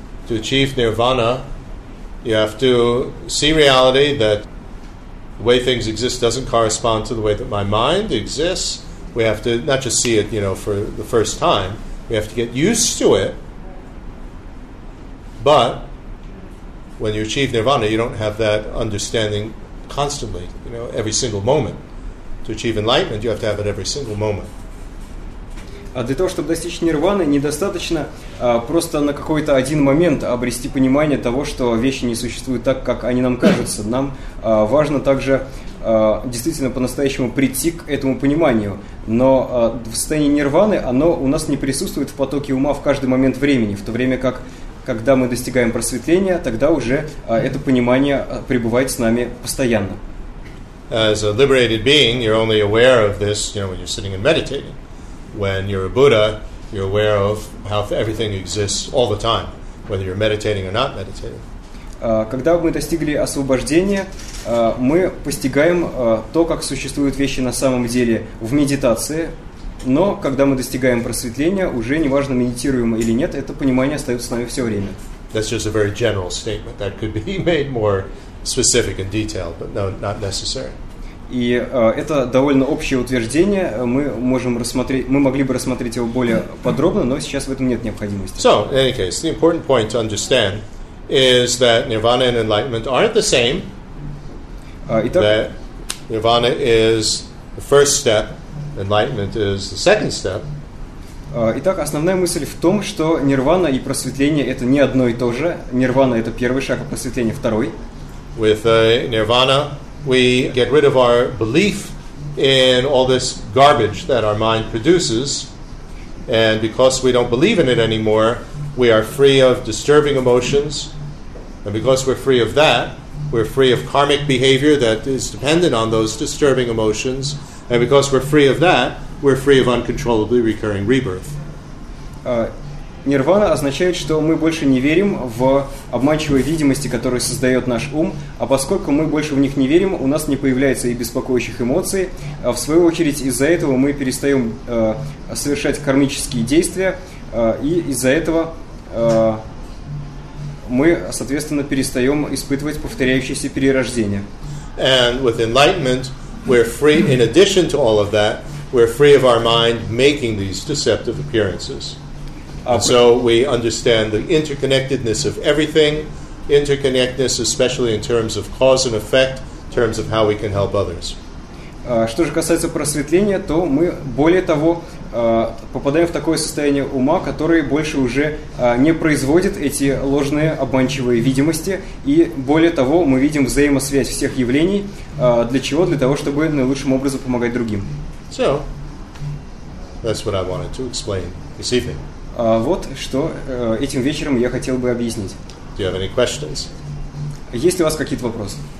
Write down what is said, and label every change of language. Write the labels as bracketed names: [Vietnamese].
[English] To achieve nirvana, you have to see reality that the way things exist doesn't correspond to the way that my mind exists. We have to not just see it, you know, for the first time. We have to get used to it, but when you achieve nirvana, you don't have that understanding constantly, you know, every single moment. To achieve enlightenment, you have to have it every single moment. [Russian] А для того, чтобы достичь нирваны, недостаточно просто на какой-то один момент обрести понимание того, что вещи не существуют так, как они нам кажутся. Нам важно также действительно по-настоящему прийти к этому пониманию. Но в состоянии нирваны оно у нас не присутствует в потоке ума в каждый момент времени, в то время как, когда мы достигаем просветления, тогда уже это понимание пребывает с нами постоянно. [English] As a liberated being, you're only aware of this, you know, when you're sitting and meditating. When you're a Buddha, you're aware of how everything exists all the time, whether you're meditating or not meditating. [Russian] Когда мы достигли освобождения, мы постигаем то, как существуют вещи на самом деле в медитации, но когда мы достигаем просветления, уже неважно, медитируем или нет, это понимание остается с нами все время. [English] That's just a very general statement that could be made more specific and detailed, but no, not necessary. [Russian] И это довольно общее утверждение, мы можем рассмотреть, мы могли бы рассмотреть его более подробно, но сейчас в этом нет необходимости. [English] So, in any case, the important point to understand is that nirvana and enlightenment aren't the same. [Russian] Итак, [English] that nirvana is the first step, enlightenment is the second step. [Russian] Итак, основная мысль в том, что нирвана и просветление это не одно и то же. Нирвана это первый шаг, а просветление второй. [English] With nirvana, we get rid of our belief in all this garbage that our mind produces, and because we don't believe in it anymore, we are free of disturbing emotions. And because we're free of that, we're free of karmic behavior that is dependent on those disturbing emotions. And because we're free of that, we're free of uncontrollably recurring rebirth. [Russian] Нирвана означает, что мы больше не верим в обманчивые видимости, которые создает наш ум, а поскольку мы больше в них не верим, у нас не появляется и беспокоящих эмоций. В свою очередь, из-за этого мы перестаем совершать кармические действия, и из-за этого... мы, соответственно, перестаем испытывать повторяющиеся перерождения. [English] And with enlightenment, we're free, in addition to all of that, we're free of our mind making these deceptive appearances. And so we understand the interconnectedness of everything, interconnectedness especially in terms of cause and effect, in terms of how we can help others. [Russian] Что же касается просветления, то мы, более того, попадаем в такое состояние ума, которое больше уже не производит эти ложные обманчивые видимости, и более того, мы видим взаимосвязь всех явлений. Для чего? Для того, чтобы наилучшим образом помогать другим. [English] So, that's what I wanted to explain this evening. [Russian] Вот что этим вечером я хотел бы объяснить. [English] Do you have any questions? [Russian] Есть ли у вас какие-то вопросы?